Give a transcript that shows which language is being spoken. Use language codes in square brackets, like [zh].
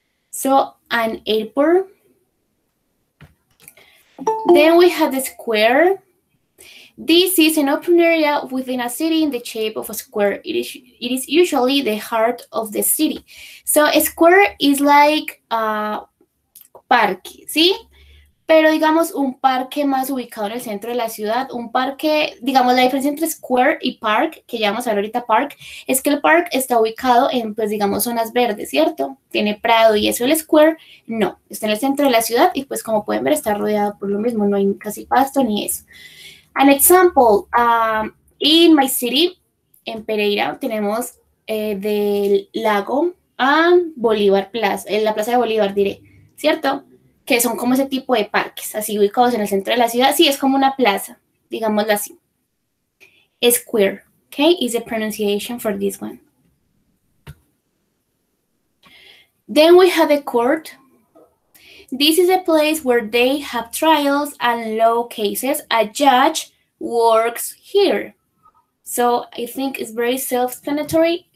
[en] So an airport. Then we have the square. This is an open area within a city in the shape of a square. It is usually the heart of the city. So a square is like a parque, ¿sí? [es] Pero digamos un parque más ubicado en el centro de la ciudad, un parque, digamos la diferencia entre square y park, que ya vamos a ver ahorita park, es que el park está ubicado en, pues digamos, zonas verdes, ¿cierto? Tiene prado y eso, el square no, está en el centro de la ciudad y pues como pueden ver está rodeado por lo mismo, no hay casi pasto ni eso. [en] An example, in my city, [es] en Pereira, tenemos del lago a Bolívar Plaza, en la Plaza de Bolívar, diré, ¿cierto? Que son como ese tipo de parques, así ubicados en el centro de la ciudad. Sí, es como una plaza, digámoslo así. [en] Square, okay, is the pronunciation for this one. Then we have a court. This is a place where they have trials and law cases. A judge works here. So I think it's very self-explanatory.